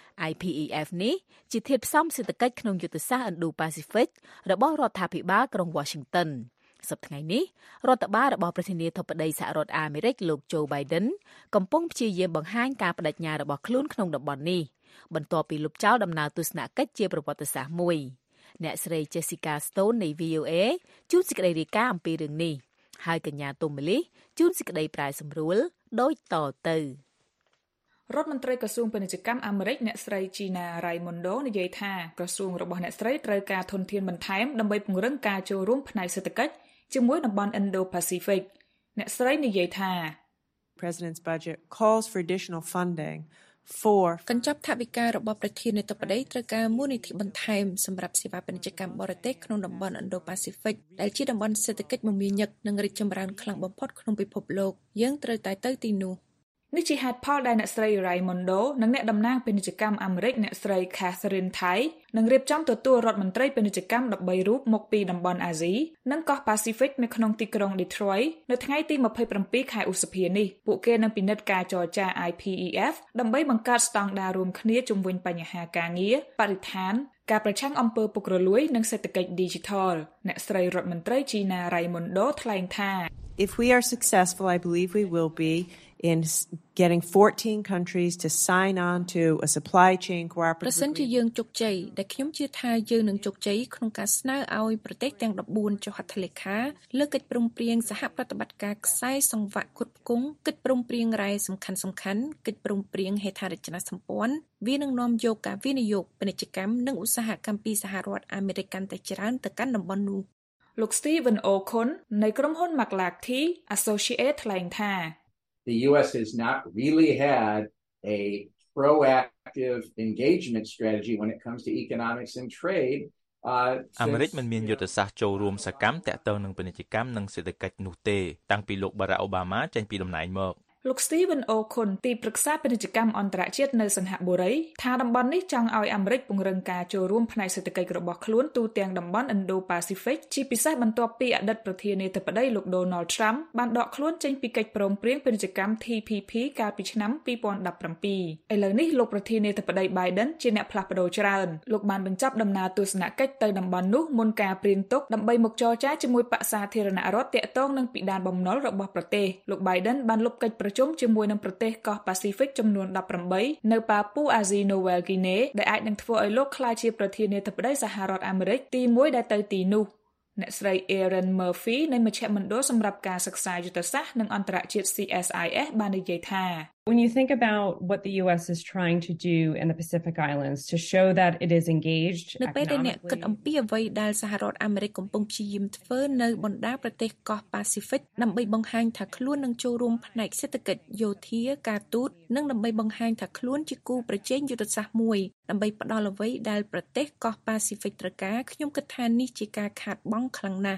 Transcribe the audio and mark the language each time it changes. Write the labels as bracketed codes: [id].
[km] IPEF នេះជាធាតុផ្សំសេដ្ឋកិច្ចក្នុងយុទ្ធសាស្ត្រ Indo-Pacific របស់រដ្ឋាភិបាលក្រុង Washingtonសប្តាហ៍នេះរដ្ឋបាលរបស់ប្រធានាធិបតីសហរដ្ឋអាមេរិកលោកโจ Biden កំពុងព្យាយាមបង្ហាញការបដិញ្ញារបស់ខ្លួនក្នុងតំបន់នេះបន្ទាប់ពីលុបចោលដំណើរទស្សនកិច្ចជាប្រវត្តិសាស្ត្រមួយអ្នកស្រី Jessica Stone នៃ VOA ជួបសេចក្តីរាយការណ៍អំពីរឿងនេះហើយកញ្ញាទុំមលីជួបសេចក្តីប្រែសម្រួលដូចតទៅ រដ្ឋមន្ត្រីក្រសួងពាណិជ្ជកម្មអាមេរិកអ្នកស្រី Gina Raimondo និយាយថាក្រសួងរបស់អ្នកស្រីត្រូវការធនធានបន្ថែមដើម្បីពង្រឹងការចូលរួមផ្នែកសេដ្ឋកិច្ចជាមួយតំបន់ Indo-Pacific អ្នកស្រីនិយាយថា [en] President's budget calls for additional funding for [km] កញ្ចប់ថវិការបស់ប្រធានាធិបតីត្រូវការមូលនិធិបន្ថែមសម្រាប់សេវាពាណិជ្ជកម្មបរទេសក្នុងតំបន់ Indo-Pacific ដែលជាតំបន់សេដ្ឋកិច្ចមមាញឹកនិងរីកចម្រើនខ្លាំងបំផុតក្នុងពិភពលោកយើងត្រូវតែទៅទីនោះ នេះជាហេតុផលដែលអ្នកស្រី Raimondo និងអ្នកតំណាងពាណិជ្ជកម្មអាមេរិកអ្នកស្រី Catherine Tai នឹងរៀបចំទទួលរដ្ឋមន្ត្រីពាណិជ្ជកម្ម13រូបមកពីតំបន់អាស៊ីនិងកោះ Pacific នៅក្នុងទីក្រុង Detroit នៅថ្ងៃទី27ខែឧសភានេះពួកគេនឹងពិនិត្យការចរចា IPEF ដើម្បីបង្កើតស្តង់ដាររួមគ្នាជុំវិញបញ្ហាការងារបរិស្ថានការប្រឆាំងអំពើពុករលួយនិងសេដ្ឋកិច្ច Digital អ្នកស្រីរដ្ឋមន្ត្រី Gina Raimondo ថ្លែងថា [en] If we are successful I believe we will beIn getting 14 countries to sign on to a supply chain cooperative [km] ប្រសិនជាយើងជោគជ័យដែលខ្ញុំជឿថាយើងនឹងជោគជ័យក្នុងការស្នើឲ្យប្រទេសទាំង14ចុះហត្ថលេខាលើកិច្ចព្រមព្រៀងសហប្រតិបត្តិការខ្សែសង្វាក់គ្រប់គងកិច្ចព្រមព្រៀងរ៉ែសំខាន់សំខាន់កិច្ចព្រមព្រៀងហេដ្ឋារចនាសម្ព័ន្ធវានឹងនាំយកការវិនិយោគពាណិជ្ជកម្មនិងឧស្សាហកម្មពីសហរដ្ឋអាមេរិកកាន់តែច្រើនទៅកាន់តំបន់នោះ លោក Steven O'Kun នៃក្រុមហ៊ុន McLarty Associates ថ្លែងថា [en] The US has not really had a proactive engagement strategy when it comes to economics and trade. [km] អាមេរិកមិនមានយុទ្ធសាស្ត្រចូលរួមសកម្មទាក់ទងនឹងពាណិជ្ជកម្មនិងសេដ្ឋកិច្ចនោះទេតាំងពីលោកបារ៉ាអូបាម៉ាចេញពីតំណែងមក លោក Steven O'Kun ទីប្រឹក្សាពាណិជ្ជកម្មអន្តរជាតិនៅសិង្ហបុរីថាតំបន់នេះចង់ឲ្យអាមេរិកពង្រឹងការចូលរួមផ្នែកសេដ្ឋកិច្ចរបស់ខ្លួនទូទាំងតំបន់ Indo-Pacific ជាពិសេសបន្ទាប់ពីអតីតប្រធានាធិបតីលោក Donald Trump បានដកខ្លួនចេញពីកិច្ចព្រមព្រៀងពាណិជ្ជកម្ម TPP កាលពីឆ្នាំ2017ឥឡូវនេះលោកប្រធានាធិបតី Biden ជាអ្នកផ្លាស់ប្តូរច្រើនលោកបានបញ្ចប់ដំណើរទស្សនកិច្ចទៅតំបន់នោះមុនការព្រៀងទុកដើម្បីមកចរចាជាមួយបក្សសាធារណរដ្ឋតាក់ទងនឹងពិដានបំណុលរបស់ប្រទេសលោក Biden បានលុបកិច្ចប្រជុំជាមួយនឹងប្រទេសកោះ Pacific ចំនួន 18នៅប៉ាពូអាស៊ីនូវែលគីណេដែលអាចនឹងធ្វើឲ្យលោកក្លាយជាប្រធានាធិបតីសហរដ្ឋអាមេរិកទី1ដែលទៅទីនោះអ្នកស្រី Erin Murphy នៃមជ្ឈមណ្ឌលសម្រាប់ការសិក្សាយុទ្ធសាស្ត្រនិងអន្តរជាតិ CSIS បាននិយាយថា [en] When you think about what the US is trying to do in the Pacific Islands to show that it is engaged [km] នៅពេលដែលអ្នកគិតអំពីអ្វីដែលសហរដ្ឋអាមេរិកកំពុងព្យាយាមធ្វើនៅបណ្ដាប្រទេសកោះ Pacific ដើម្បីបង្ហាញថាខ្លួននឹងចូលរួមផ្នែកសេដ្ឋកិច្ចយោធាការទូតនិងដើម្បីបង្ហាញថាខ្លួនជាគូប្រជែងយុទ្ធសាស្ត្រមួយដើម្បីផ្ដល់អ្វីដែលប្រទេសកោះ Pacific ត្រូវការខ្ញុំគិតថានេះជាការខាតបង់ខ្លាំងណាស